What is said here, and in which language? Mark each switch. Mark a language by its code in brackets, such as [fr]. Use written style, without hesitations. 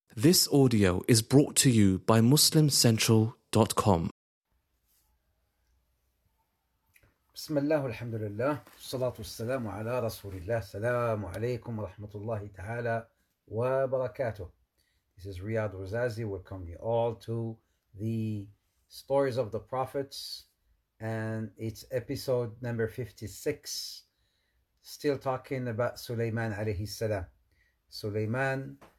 [en] This audio is brought to you by MuslimCentral.com. [ar] بسم الله والحمد لله والصلاة والسلام على رسول الله السلام عليكم ورحمة الله تعالى وبركاته. [en] This is Riyad Ruzazi. Welcome you all to the Stories of the Prophets, and it's episode number 56. Still talking about Sulaiman alayhi salam. Sulaiman.